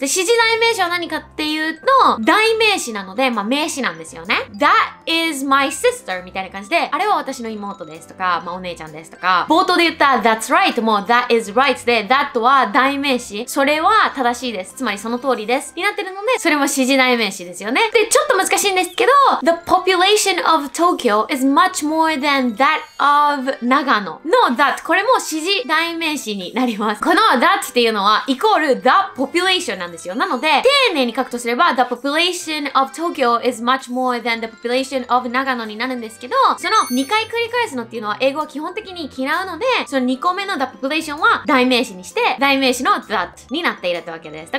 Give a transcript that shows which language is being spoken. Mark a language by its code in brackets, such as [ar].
[ja] で、指示代名詞は何かっていうと、代名詞なので、まあ名詞なんですよね。 [en] That is my sister [ja] みたいな感じで、あれは私の妹ですとか、まあお姉ちゃんですとか、冒頭で言った [en] that's right [ja] も [en] that is right [ja] で、that は代名詞、それは正しいです。つまりその通りです。になってるので、それも指示代名詞ですよね。で、ちょっと難しいんですけど、 [en] The population of Tokyo is much more than that of 長野の that。 [ja] これも指示代名詞になります。この that っていうのはイコール the population なんですよ。なので丁寧に書くとすれば [en] The population of Tokyo is much more than the population of [ja] 長野になるんですけど、その2回繰り返すのっていうのは英語は基本的に嫌うので、その2個目の the population は代名詞にして代名詞の that になっているってわけです。